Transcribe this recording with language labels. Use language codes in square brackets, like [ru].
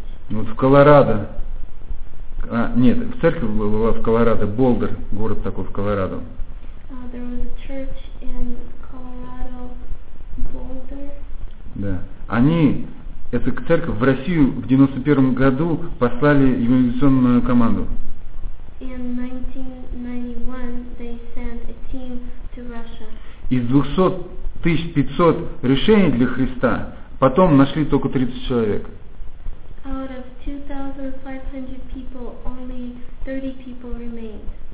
[ru] Вот в Колорадо, церковь была в Колорадо, Болдер, город такой в Колорадо. [en] There was a church in Colorado, Boulder. [ru] Да, они, эта церковь, в Россию в 91-м году послали евангелизационную команду. [en] In 1991 they sent a team to Russia. [ru] Из 200 500 решений для Христа потом нашли только 30 человек. [en] Out of 2500 people, only 30 people remained.